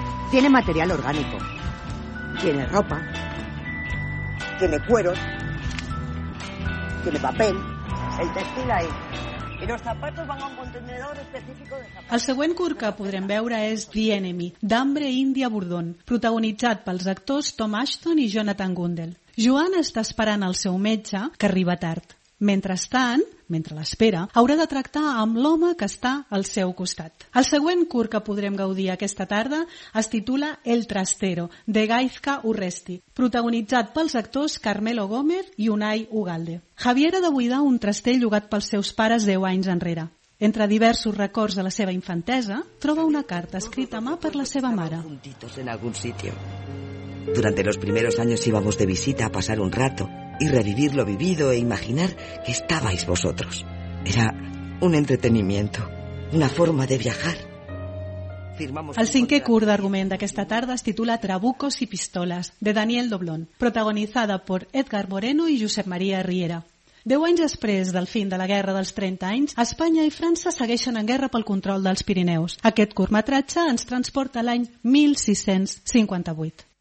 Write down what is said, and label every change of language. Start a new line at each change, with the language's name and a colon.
Spanish: Tiene material orgánico. Tiene ropa. Tiene cueros. Tiene papel. El textil ahí. Y los zapatos van a un contenedor específico de zapatos.
Catalan: El següent curt que podrem veure és The Enemy, d'Hambre India Bourdon, protagonitzat pels actors Tom Ashton i Jonathan Gundel. Joan està esperant el seu metge, que arriba tard. Mentrestant, mentre l'espera, haurà de tractar amb l'home que està al seu costat. El següent curt que podrem gaudir aquesta tarda es titula El Trastero, de Gaizka Urresti, protagonitzat pels actors Carmelo Gómez i Unai Ugalde. Javier ha de buidar un traster llogat pels seus pares 10 anys enrere. Entre diversos records de la seva infantesa, troba una carta escrita a mà per la seva mare.
Spanish: Juntitos en algún sitio. Durante los primeros años íbamos de visita a pasar un rato y revivir lo vivido e imaginar que estabais vosotros. Era un entretenimiento, una forma de viajar.
Catalan: El cinquè curt d'argument d'aquesta tarda es titula Trabucos y pistolas, de Daniel Doblón, protagonitzada per Edgar Moreno i Josep Maria Riera. 10 anys després del fin de la Guerra dels 30 anys, Espanya i França segueixen en guerra pel control dels Pirineus. Aquest curtmetratge ens transporta a l'any 1658.